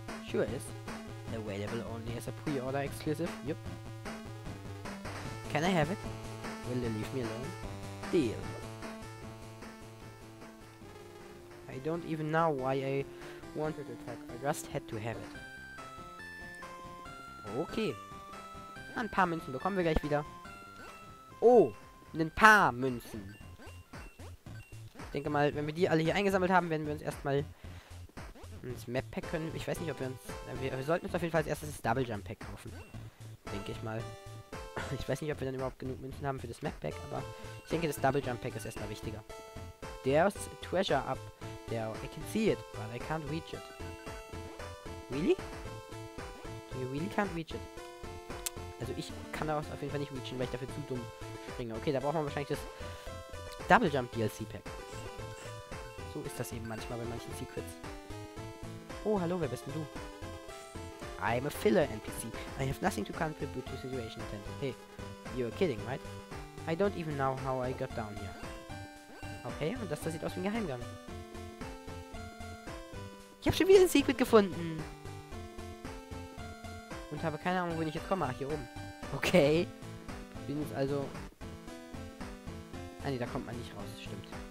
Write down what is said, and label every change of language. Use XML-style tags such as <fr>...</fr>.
<en>Sure is. Available only as a pre-order exclusive? Yup. Can I have it? Will they leave me alone? Deal. I don't even know why I wanted the pack. I just had to have it. Okay.</en> <de>Na, ein paar Münzen bekommen wir gleich wieder. Oh, ein paar Münzen. Ich denke mal, wenn wir die alle hier eingesammelt haben, werden wir uns erstmal ins Map Pack können. Ich weiß nicht, ob wir uns... Wir sollten uns auf jeden Fall als erstes das Double Jump Pack kaufen. Denke ich mal. Ich weiß nicht, ob wir dann überhaupt genug Münzen haben für das Map Pack, aber ich denke, das Double Jump Pack ist erstmal wichtiger.</de> <en>There's a treasure up there. I can see it, but I can't reach it. Really? You really can't reach it.</en> <de>Also ich kann daraus auf jeden Fall nicht reachen, weil ich dafür zu dumm springe. Okay, da braucht man wahrscheinlich das Double Jump DLC Pack. So ist das eben manchmal bei manchen Secrets. Oh, hallo, wer bist denn du?</de> <en>I'm a filler NPC. I have nothing to contribute to the situation. Hey, you're kidding, right? I don't even know how I got down here.</en> <de>Okay, und das sieht aus wie ein Geheimgang. Ich habe schon wieder ein Secret gefunden. Und habe keine Ahnung, wohin ich jetzt komme. Ach, hier oben. Okay. Bin jetzt also... Ah, nee, da kommt man nicht raus. Stimmt.</de>